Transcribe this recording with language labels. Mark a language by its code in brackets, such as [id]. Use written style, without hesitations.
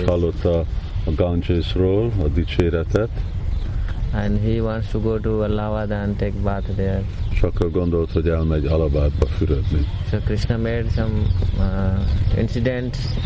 [hu] És hallotta a Ganges-ról, a dicséretet. [en] And he wants to go to Allahabad and take bath there. [hu] És akkor gondolt, hogy elmegy Allahabadba füredni. [en] So Krishna made some incidents.